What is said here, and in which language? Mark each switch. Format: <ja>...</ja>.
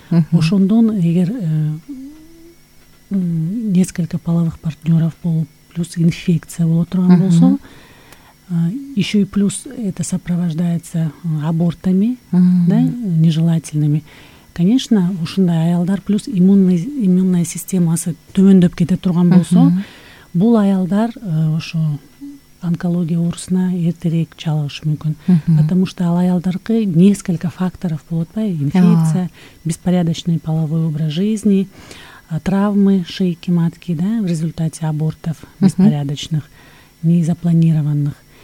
<ky>Ошондон эгер</ky> <ru>несколько половых партнеров болуп, плюс инфекция</ru> <ky>боло турган болсо,</ky> <ru>еще и плюс это сопровождается абортами, да, нежелательными.</ru> <ky>Конечно, ушундай аялдар плюс иммунная системасы төмөндөп кете турган болсо, бул аялдар ошо онкология оорусуна эртерээк чалышы мүмкүн.</ky> <ru>Потому что</ru> <ky>ал аялдаркы</ky> <ru>несколько факторов болот, да, инфекция, беспорядочный половой образ жизни, травмы шейки матки, да, в результате абортов беспорядочных, незапланированных.</ru>